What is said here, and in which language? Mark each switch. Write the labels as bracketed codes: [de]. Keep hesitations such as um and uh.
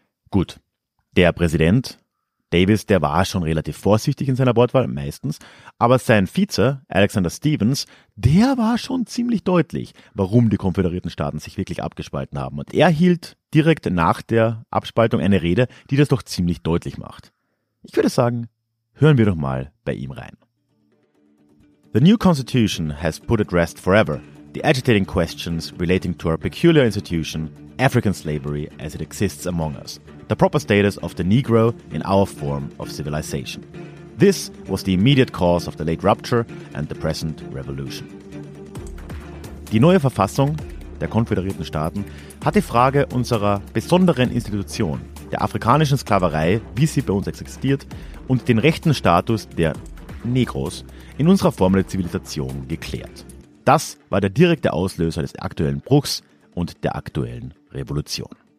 [de] Gut, der Präsident Davis, der war schon relativ vorsichtig in seiner Wortwahl, meistens, aber sein Vize, Alexander Stevens, der war schon ziemlich deutlich, warum die konföderierten Staaten sich wirklich abgespalten haben. Und er hielt direkt nach der Abspaltung eine Rede, die das doch ziemlich deutlich macht. Ich würde sagen, hören wir doch mal bei ihm rein. [en] The new constitution has put at rest forever the agitating questions relating to our peculiar institution, African slavery as it exists among us, the proper status of the Negro in our form of civilization. This was the immediate cause of the late rupture and the present revolution. [de] Die neue Verfassung der Konföderierten Staaten hat die Frage unserer besonderen Institution, der afrikanischen Sklaverei, wie sie bei uns existiert, und den rechten Status der Negros in unserer Form der Zivilisation geklärt. Das war der direkte Auslöser des aktuellen Bruchs und der aktuellen Revolution.